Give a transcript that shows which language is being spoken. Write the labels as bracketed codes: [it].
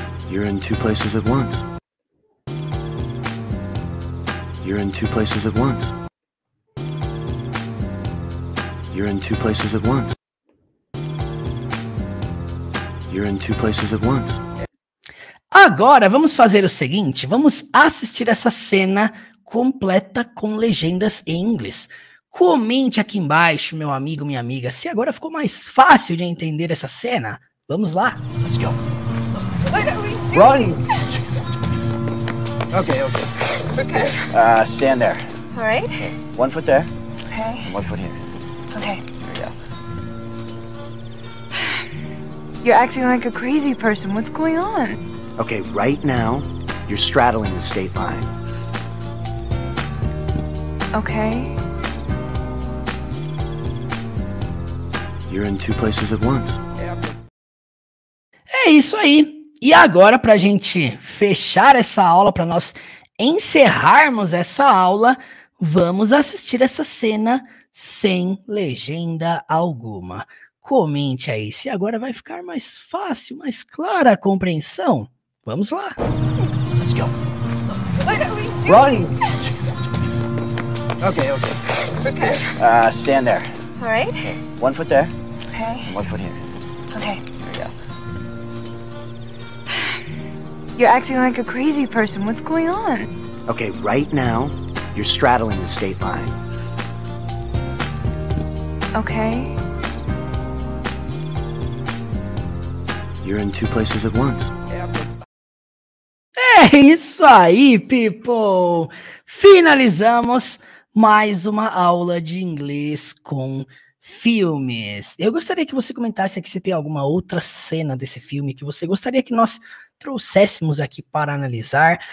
[en] you're in two places at once, you're in two places at once, you're in two places at once. You're in two places at once. [pt] Agora, vamos fazer o seguinte. Vamos assistir essa cena completa com legendas em inglês. Comente aqui embaixo, meu amigo, minha amiga, se agora ficou mais fácil de entender essa cena. Vamos lá. [en] Let's go. What are we doing? Running. Okay, okay. Okay. Stand there. All right. Okay. One foot there. Okay. And one foot here. Okay. You're acting like a crazy person. What's going on? Okay, right now, you're straddling the state line. Okay. You're in two places at once. [pt] É isso aí. E agora, pra gente fechar essa aula, pra nós encerrarmos essa aula, vamos assistir essa cena sem legenda alguma. Comente aí, se agora vai ficar mais fácil, mais clara a compreensão. Vamos lá. [en] Let's go. What are we doing? Running. Okay, okay. Okay. Stand there. All right. Okay. One foot there. Okay. And one foot here. Okay. Here we go. You're acting like a crazy person. What's going on? Okay, right now, you're straddling the state line. Okay. You're in two places at once. [pt] É isso aí, people! Finalizamos mais uma aula de inglês com filmes. Eu gostaria que você comentasse aqui se tem alguma outra cena desse filme que você gostaria que nós trouxéssemos aqui para analisar.